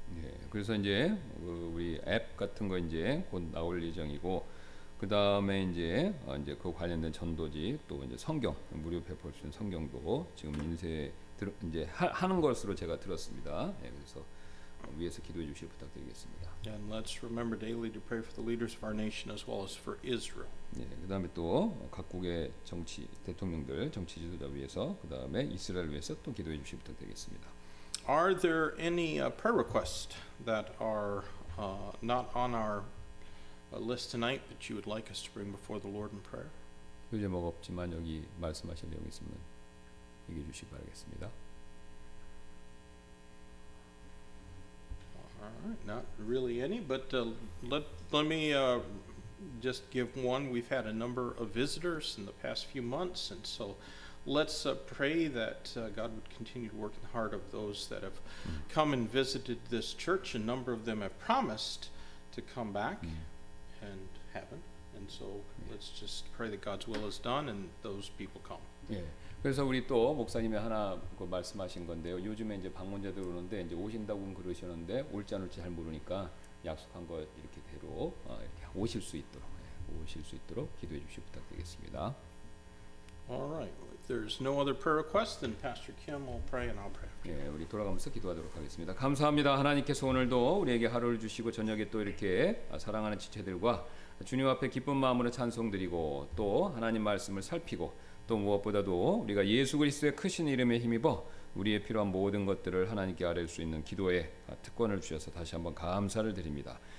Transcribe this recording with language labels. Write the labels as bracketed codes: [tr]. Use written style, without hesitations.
[ko] 예, 그래서 이제 우리 앱 같은 거 이제 곧 나올 예정이고, 그 다음에 이제 이제 그 관련된 전도지 또 이제 성경 무료 배포할 수 있는 성경도 지금 인쇄 이제 하는 것으로 제가 들었습니다. 예, 그래서 위에서 기도해 주시길 부탁드리겠습니다. [en] And let's remember daily to pray for the leaders of our nation as well as for Israel. [ko] 예, 그다음에 또 각국의 정치 대통령들, 정치 지도자 위해서, 그다음에 이스라엘 위해서 또 기도해 주시길 부탁드리겠습니다. [en] Are there any prayer requests that are not on our list tonight that you would like us to bring before the Lord in prayer? [ko] 요즘 뭐 없지만 여기 말씀하실 내용 있으면 얘기해 주시기 바라겠습니다. [en] Alright, not really any, but let me just give one. We've had a number of visitors in the past few months, and so let's pray that God would continue to work in the heart of those that have come and visited this church. A number of them have promised to come back and haven't, and so let's just pray that God's will is done and those people come. Yeah. [ko] 그래서 우리 또 목사님이 하나 그 말씀하신 건데요. 요즘에 이제 방문자들 오는데 이제 오신다고는 그러셨는데 올지 안 올지 잘 모르니까 약속한 거 이렇게 대로 이렇게 오실 수 있도록 예, 오실 수 있도록 기도해 주시기 부탁드리겠습니다. [en] All right. If there's no other prayer request, then Pastor Kim will pray and I'll pray. [ko] 예, 우리 돌아가면서 기도하도록 하겠습니다. 감사합니다. 하나님께서 오늘도 우리에게 하루를 주시고 저녁에 또 이렇게 사랑하는 지체들과 주님 앞에 기쁜 마음으로 찬송드리고 또 하나님 말씀을 살피고 또 무엇보다도 우리가 예수 그리스도의 크신 이름에 힘입어 우리의 필요한 모든 것들을 하나님께 아뢸 수 있는 기도의 특권을 주셔서 다시 한번 감사를 드립니다.